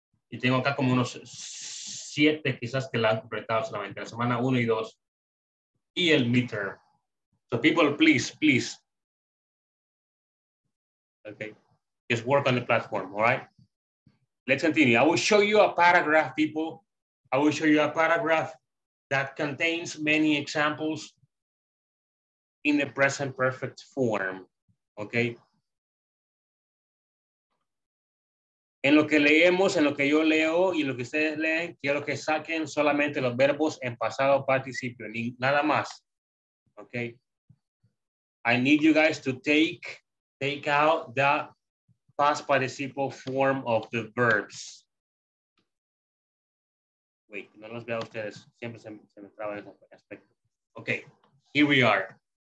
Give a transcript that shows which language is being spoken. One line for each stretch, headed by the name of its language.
Spanish: Y tengo acá como unos 7 quizás que la han completado solamente, la semana 1 y 2 y el meter.
English: So people, please. Okay, just work on the platform, all right? Let's continue. I will show you a paragraph, people. I will show you a paragraph that contains many examples in the present perfect form, okay?
Spanish: En lo que leemos, en lo que yo leo y lo que ustedes leen, quiero que saquen solamente los verbos en pasado participio, nada más.
English: Okay. I need you guys to take out the past participle form of the verbs. Wait,
Spanish: no los veo a ustedes. Siempre se me traba en ese aspecto.
English: Okay, here we are.